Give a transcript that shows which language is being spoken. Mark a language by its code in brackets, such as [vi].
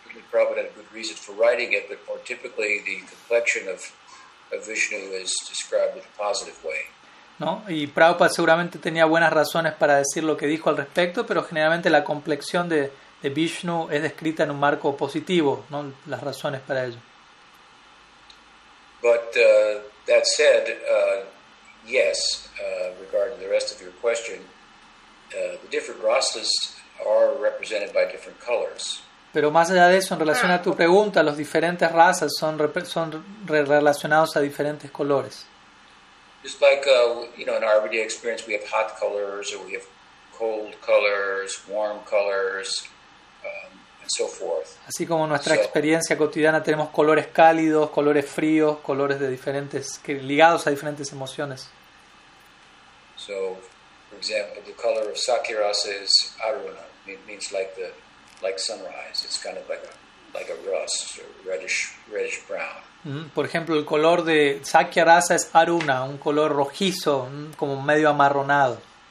[en] Probably had a good reason for writing it, but more typically the complexion of Vishnu is described in a positive way. [es] No, y Prabhupada seguramente tenía buenas razones para decir lo que dijo al respecto, pero generalmente la complexión de Vishnu es descrita en un marco positivo, ¿no? Las razones para ello. [en] But that said, yes, regarding the rest of your question, the different rasas are represented by different colors. [es] Pero más allá de eso, en relación a tu pregunta, los diferentes razas son relacionados a diferentes colores. [en] Just like in our everyday experience, we have hot colors, or we have cold colors, warm colors, and so forth. [es] Así como en nuestra experiencia cotidiana tenemos colores cálidos, colores fríos, colores de diferentes que ligados a diferentes emociones. [en] So, for example, the color of sakirasa is aruna. It means like sunrise. It's kind of like a rust, or reddish brown. [es] Por ejemplo, el color de Sakya Rasa es Aruna, un color rojizo, como medio amarronado.